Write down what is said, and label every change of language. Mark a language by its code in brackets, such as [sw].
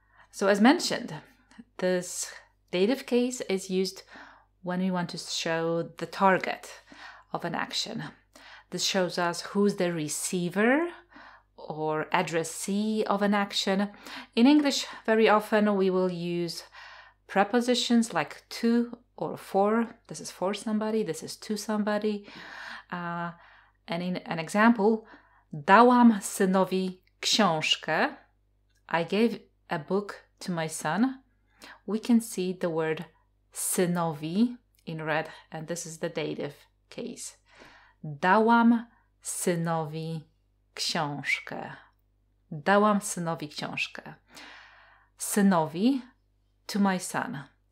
[en] So as mentioned, this dative case is used when we want to show the target of an action. This shows us who's the receiver or addressee of an action. In English, very often we will use prepositions like to or for. This is for somebody, this is to somebody. And in an example, [pl] dałam synowi książkę. [en] I gave a book to my son. We can see the word synowi in red, and this is the dative case. [pl] Dałam synowi książkę. Dałam synowi książkę. Synowi, [en] to my son.